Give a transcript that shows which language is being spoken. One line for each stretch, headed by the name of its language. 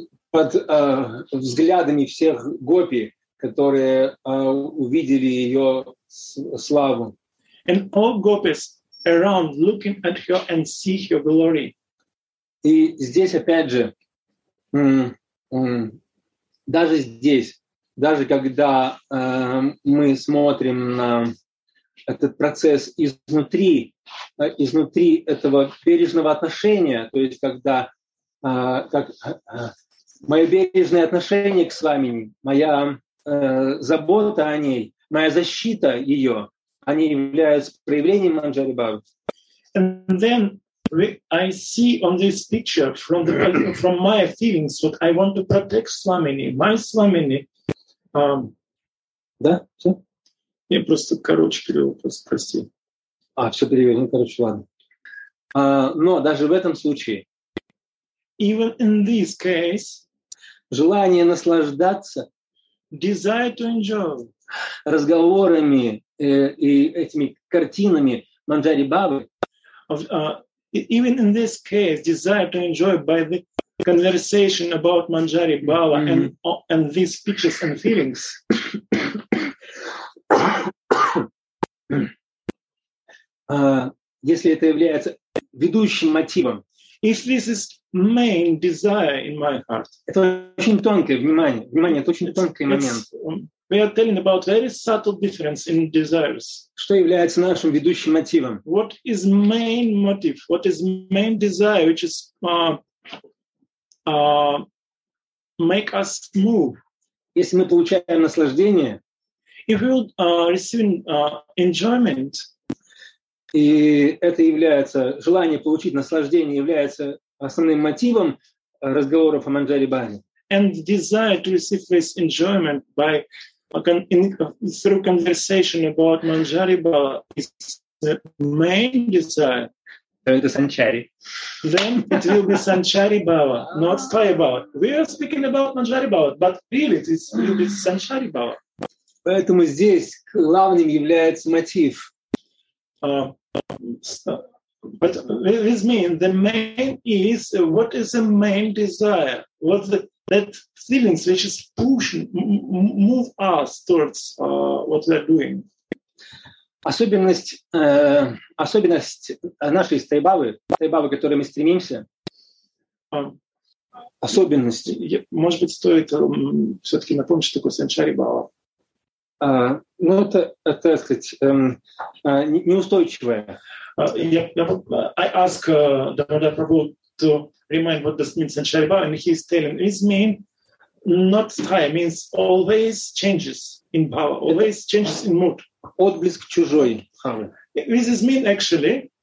Russian: Под взглядами всех гопи, которые увидели ее славу.
English: And all gopis around looking at her and see her glory.
Russian: И здесь опять же, даже здесь, даже когда мы смотрим на этот процесс изнутри этого бережного отношения, то есть когда мое бережное отношение к Свами, моя забота о ней, моя защита ее, они являются проявлением Манджари Бхавы.
English: And then I see on this picture from my feelings what I want to protect Swamini, my Swamini.
Russian: Да? Все? Я просто короче перевел, просто прости. А, все перевел, ну короче, ладно. Но даже в этом случае,
English: even in this case,
Russian: желание наслаждаться,
English: desire to enjoy,
Russian: разговорами и этими картинами Манджари Бабы.
English: Even in this case, desire to enjoy by the conversation about Manjari Bhava and these pictures and feelings.
Russian: Если это является ведущим мотивом.
English: If this is main desire in my heart.
Russian: Это очень тонкое внимание. Внимание, это очень тонкий момент.
English: We are telling about very subtle difference in desires.
Russian: Что является нашим ведущим мотивом?
English: What is main motive? What is main desire, which is make us move?
Russian: Если мы получаем наслаждение,
English: if we receive enjoyment,
Russian: и это является желание получить наслаждение является основным мотивом разговоров о Манджари Бхаве.
English: And desire to receive this enjoyment by through conversation about Manjari Bhava is the main desire. So it's Sanchari. Then it will be Sanchari Bhava, not Sthaya Bhava. We are speaking about Manjari Bhava, but really it will be Sanchari Bhava.
Russian: Поэтому здесь главным является мотив.
English: But this means the main is what is the main desire? What's that feelings which is pushing, move us towards what we are doing.
Russian: Особенность нашей стайбавы, которой мы стремимся. Особенность. Может быть, стоит все-таки напомнить, что такое санчари бава. Ну, это, так сказать, неустойчивое.
English: I ask Damodar Prabhu to remind what this means in Shariva, and he's telling, it means not time, means always changes in power, always changes in mood.
Russian: Отблеск чужой хавы.
English: This is mean actually,